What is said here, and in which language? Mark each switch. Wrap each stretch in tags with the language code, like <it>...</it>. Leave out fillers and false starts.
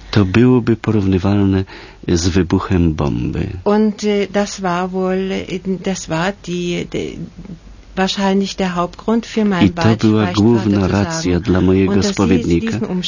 <pl>To byłoby porównywalne z wybuchem bomby.</pl> <de>Und das war wohl, das war die wahrscheinlich der Hauptgrund für mein Beichtvater.</de> <pl>I to była główna racja dla mojego spowiednika.</pl>